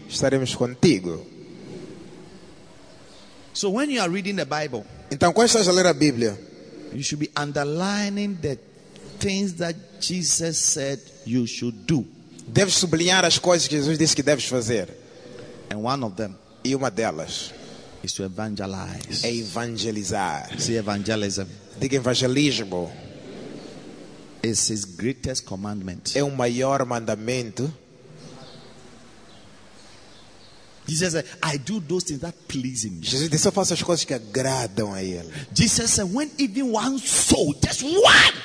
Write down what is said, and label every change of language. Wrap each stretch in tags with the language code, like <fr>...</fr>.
<pt>Estaremos contigo.</pt> <en>So when you are reading the Bible,</en> <pt>então quando estás a ler a Bíblia,</pt> <en>you should be underlining the things that Jesus said you should do.</en> <pt>Deves sublinhar as coisas que Jesus disse que deves fazer.</pt> <en>And one of them,</en> <pt>e uma delas,</pt> <en>is to evangelize.</en> <pt>É evangelizar.</pt> <en>See evangelism.</en> <pt>Diga evangelismo.</pt> <en>It's his greatest commandment.</en> <pt>É o maior mandamento.</pt> <en>Jesus said, I do those things that please me.</en> <pt>Jesus disse, eu faço as coisas que agradam a ele.</pt> <en>Jesus said, when even one soul, just one.</en>